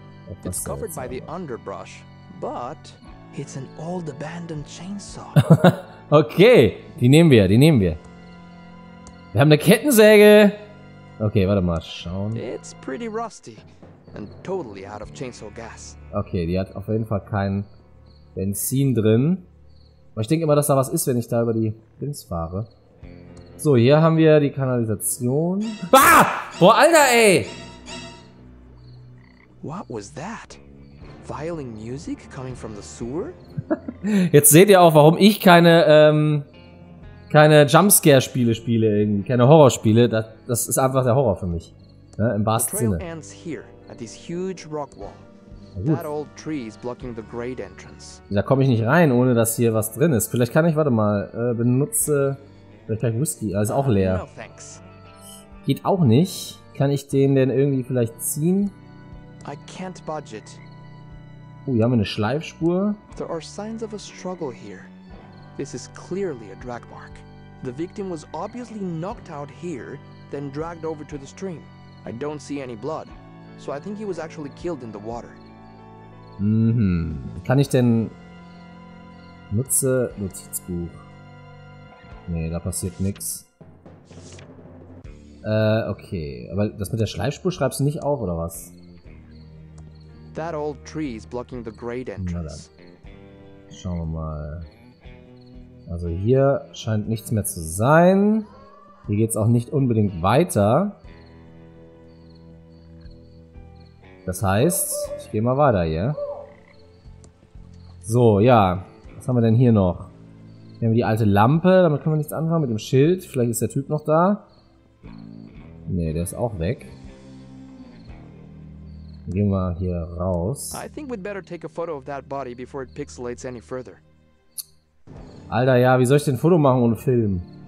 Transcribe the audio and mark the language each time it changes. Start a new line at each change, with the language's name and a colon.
German: Etwas
English: it's covered
German: seltsames.
English: By the underbrush, but it's an old abandoned chainsaw.
German: Okay, die nehmen wir. Wir haben eine Kettensäge. Okay, warte mal, schauen.
English: It's pretty rusty and totally out of chainsaw gas.
German: Okay, die hat auf jeden Fall kein Benzin drin. Aber ich denke immer, dass da was ist, wenn ich da über die Dings fahre. So, hier haben wir die Kanalisation. Ah! Boah, Alter, ey!
English: What was that? Violent music coming from the sewer?
German: Jetzt seht ihr auch, warum ich keine Jumpscare-Spiele spiele, irgendwie, keine Horrorspiele. Das ist einfach der Horror für mich. Ne? Im wahrsten Sinne.
English: The trail ends here, at this huge rock wall. That old tree is blocking the great entrance.
German: Da komme ich nicht rein, ohne dass hier was drin ist. Vielleicht kann ich, warte mal, benutze. Vielleicht kann ich Whisky, ist auch leer. Geht auch nicht. Kann ich den denn irgendwie vielleicht ziehen?
English: I can't budget.
German: Oh, hier haben wir eine Schleifspur.
English: There are signs of a struggle here. This is clearly a drag mark. The victim was obviously knocked out here, then dragged over to the stream. I don't see any blood, so I think he was actually killed in the water. Mhm.
German: Kann ich denn nutze Notizbuch? Nee, da passiert nichts. Okay. Aber das mit der Schleifspur schreibst du nicht auf, oder was?
English: That old tree is blocking the great entrance.
German: Schauen wir mal. Also hier scheint nichts mehr zu sein. Hier geht's auch nicht unbedingt weiter. Das heißt, ich gehe mal weiter hier. So, ja. Was haben wir denn hier noch? Hier haben wir die alte Lampe. Damit können wir nichts anfangen mit dem Schild. Vielleicht ist der Typ noch da. Nee, der ist auch weg. Gehen wir hier raus.
English: I think we'd better take a photo of that body before it pixelates any further.
German: Alter, ja, wie soll ich denn ein Foto machen ohne Film?